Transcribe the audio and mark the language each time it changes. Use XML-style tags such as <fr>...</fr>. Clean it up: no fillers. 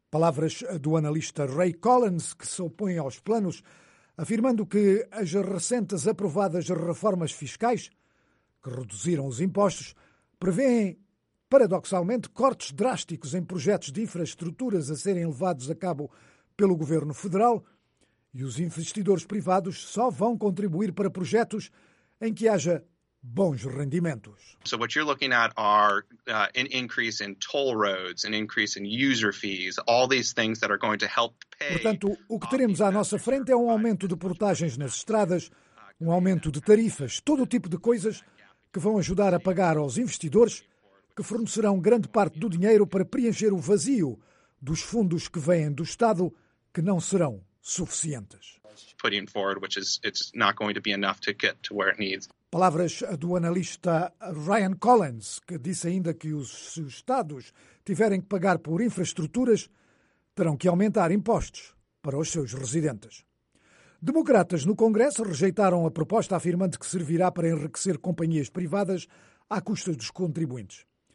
<pt>Palavras do analista Ray Collins, que se opõe aos planos, afirmando que as recentes aprovadas reformas fiscais, que reduziram os impostos, prevêem, paradoxalmente, cortes drásticos em projetos de infraestruturas a serem levados a cabo pelo governo federal, e os investidores privados só vão contribuir para projetos em que haja bons rendimentos.</pt> <en>So what you're looking at are an increase in toll roads, an increase in user fees, all these things that are going to help pay.</en> <pt>Portanto, o que teremos à nossa frente é um aumento de portagens nas estradas, um aumento de tarifas, todo o tipo de coisas que vão ajudar a pagar aos investidores, que fornecerão grande parte do dinheiro para preencher o vazio dos fundos que vêm do Estado, que não serão suficientes.</pt> <en>Putting forward, which is, it's not going to be enough to get to where it needs.</en> <pt>Palavras do analista Ryan Collins, que disse ainda que se os estados tiverem que pagar por infraestruturas, terão que aumentar impostos para os seus residentes. Democratas no Congresso rejeitaram a proposta, afirmando que servirá para enriquecer companhias privadas à custa dos contribuintes.</pt>